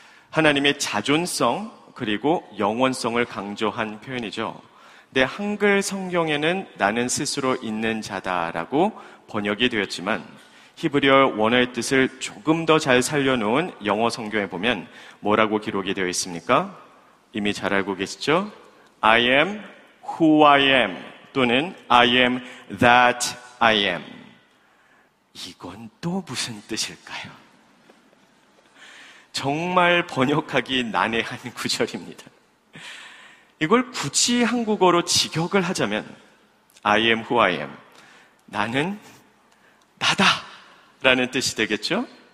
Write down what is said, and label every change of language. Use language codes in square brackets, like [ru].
[ko] 하나님의 자존성 그리고 영원성을 강조한 표현이죠. 근데 한글 성경에는 나는 스스로 있는 자다라고 번역이 되었지만 히브리어 원어의 뜻을 조금 더 잘 살려놓은 영어 성경에 보면 뭐라고 기록이 되어 있습니까? 이미 잘 알고 계시죠? [en] I am who I am 또는 I am that I am. [ko] 이건 또 무슨 뜻일까요? 정말 번역하기 난해한 구절입니다. 이걸 굳이 한국어로 직역을 하자면 [en] I am who I am. [ko] 나는 나다 라는 뜻이 되겠죠?